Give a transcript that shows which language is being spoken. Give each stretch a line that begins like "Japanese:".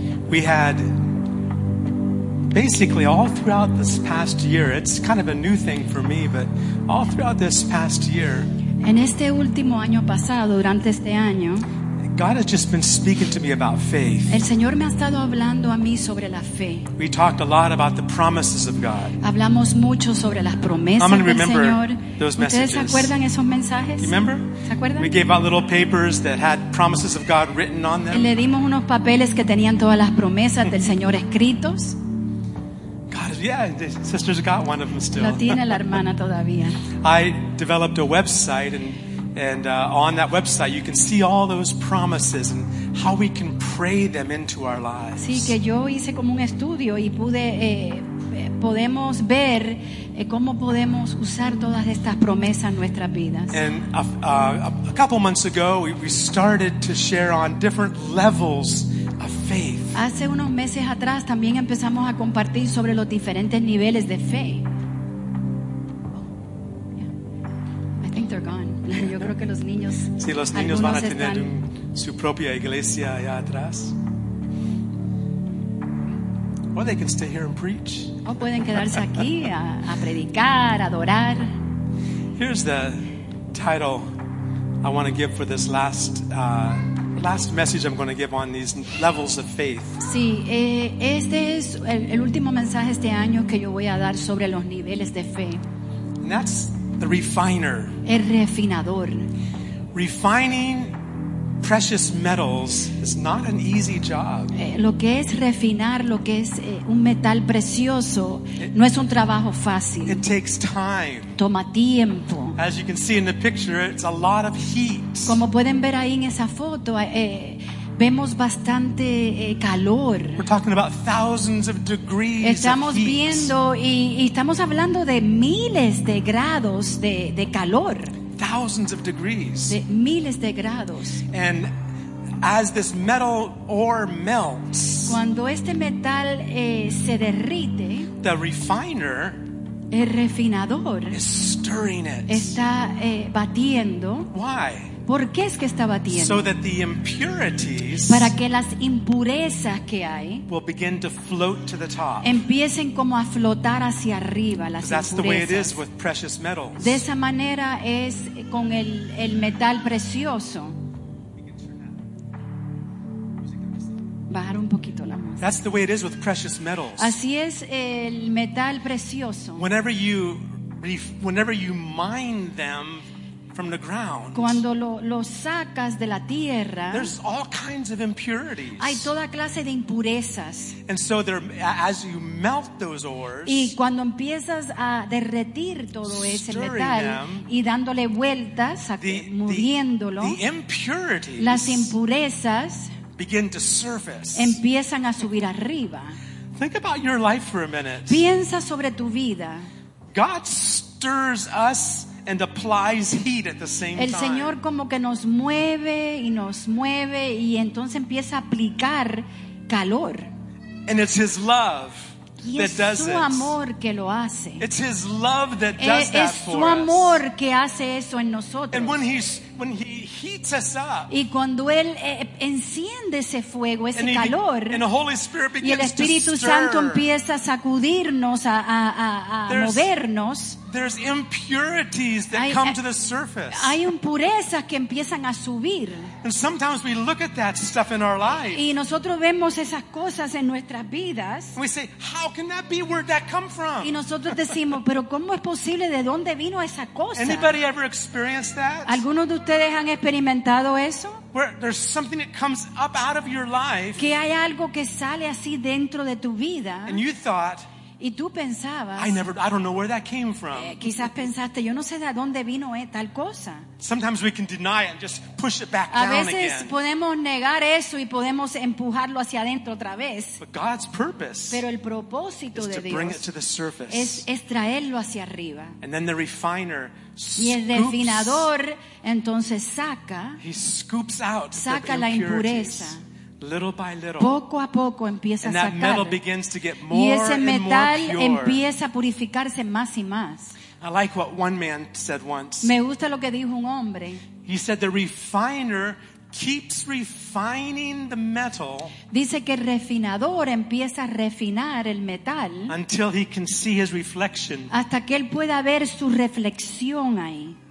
English: We had basically all throughout this past year. It's kind of a new thing for me, but all throughout this past year.
Spanish: En este último año pasado, durante este año,
English: God has just been speaking to me about faith.
Spanish: El Señor me ha estado hablando a mí sobre la fe.
English: We talked a lot about the promises of God.
Spanish: Hablamos mucho sobre las promesas del Señor.
English: I'm going to remember those messages.
Spanish: ¿Ustedes se acuerdan esos mensajes?
English: Do you remember?
Spanish: ¿Se acuerdan?
English: We gave out little papers that had promises of God written on them.
Spanish: Le dimos unos papeles que tenían todas las promesas del Señor escritos.
English: Yeah, the sister's got one of them still.
Spanish: Lo tiene la hermana todavía.
English: I developed a website, and on that website you can see all those promises and how we can pray them into our lives.
Spanish: Sí, que yo hice como un estudio y pude podemos ver cómo podemos usar todas estas promesas en nuestras vidas.
English: And a couple months ago we started to share on different levels.
Spanish: Hace unos meses atrás también empezamos a compartir sobre los diferentes niveles de fe.
English: I think they're gone.
Spanish: Yo creo que los niños. Sí, los niños van a tener su propia iglesia allá atrás.
English: Or they can stay here and preach.
Spanish: O pueden quedarse aquí a predicar, a adorar.
English: Here's the title I want to give for this last message I'm going to give on these levels of faith.
Spanish: Sí, este es el último mensaje este año que yo voy a dar sobre los niveles de fe.
English: And that's the refiner.
Spanish: El refinador.
English: Refining precious metals is not an easy job.
Spanish: Lo que es refinar lo que es un metal precioso no es un trabajo fácil.
English: It takes time.
Spanish: Toma tiempo.
English: As you can see in the picture, it's a lot of heat.
Spanish: Como pueden ver ahí en esa foto, vemos bastante calor.
English: We're talking about thousands of degrees.
Spanish: Estamos
English: of
Spanish: viendo
English: heat.
Spanish: Y estamos hablando de miles de grados de calor.
English: Thousands of degrees.
Spanish: De miles de grados.
English: And as this metal ore melts,
Spanish: cuando este metal se derrite,
English: the refiner,
Spanish: el refinador,
English: is stirring it.
Spanish: Está batiendo.
English: Why?
Spanish: ¿Por qué es que está batiendo?
English: So that the impurities,
Spanish: para que las impurezas que hay,
English: will begin to float to the top.
Spanish: Empiecen como a flotar hacia arriba las impurezas.
English: That's the way it is with precious metals.
Spanish: De esa manera es con el metal precioso. Bajar un poquito la música.
English: That's the way it is with precious metals.
Spanish: Así es el metal precioso.
English: Whenever you mine them from the ground,
Spanish: cuando lo sacas de la tierra,
English: there's all kinds of impurities.
Spanish: Hay toda clase de impurezas.
English: And so there, as you melt those ores,
Spanish: y cuando empiezas a derretir todo ese metal,
English: them,
Spanish: y dándole vueltas, moviéndolo,
English: the impurities,
Spanish: las impurezas,
English: begin to surface.
Spanish: Empiezan a subir arriba.
English: Think about your life for a minute.
Spanish: Piensa sobre tu vida.
English: God stirs us and applies heat at the same time.
Spanish: El Señor como que nos mueve y entonces empieza a aplicar calor.
English: And it's His love that does it.
Spanish: Y es su amor que lo hace.
English: It's His love that does that for us.
Spanish: Es su amor que hace eso en nosotros.
English: And when He's when he heats us up,
Spanish: y cuando Él enciende ese fuego, ese calor,
English: and the Holy Spirit begins
Spanish: y el Espíritu
English: to
Spanish: Santo
English: stir,
Spanish: empieza a sacudirnos, a movernos,
English: there's impurities that come to the surface.
Spanish: Hay impurezas que empiezan a subir.
English: And sometimes we look at that stuff in our lives.
Spanish: Y nosotros vemos esas cosas en nuestras vidas.
English: And we say, how can that be? Where'd that come from?
Spanish: Y nosotros decimos, pero ¿cómo es posible? ¿De dónde vino esa cosa?
English: Anybody ever experienced that?
Spanish: ¿Algunos de ustedes han experimentado eso?
English: Where there's something that comes up out of your life.
Spanish: Que hay algo que sale así dentro de tu vida.
English: And you thought,
Spanish: y tú pensabas,
English: I don't know where that came from.
Spanish: Quizás pensaste, yo no sé de dónde vino tal cosa.
English: Sometimes we can deny it and just push it back down again.
Spanish: A veces
English: again.
Spanish: Podemos negar eso y podemos empujarlo hacia adentro otra vez.
English: But God's purpose,
Spanish: pero el propósito
English: is
Spanish: de
English: to
Spanish: Dios
English: bring it to the surface.
Spanish: Es traerlo hacia arriba.
English: And then the refiner
Spanish: y el refinador entonces saca,
English: he scoops out
Spanish: saca
English: the
Spanish: la impureza.
English: Little by little,
Spanish: poco a poco empieza
English: and
Spanish: a sacar,
English: that metal begins to get more
Spanish: y ese metal
English: and more pure.
Spanish: Empieza a purificarse más y más.
English: I like what one man said once.
Spanish: Me gusta lo que dijo un hombre.
English: He said the refiner keeps refining the metal.
Spanish: Dice que el refinador empieza a refinar el metal
English: until he can see his reflection.
Spanish: Hasta que él pueda ver su reflexión ahí.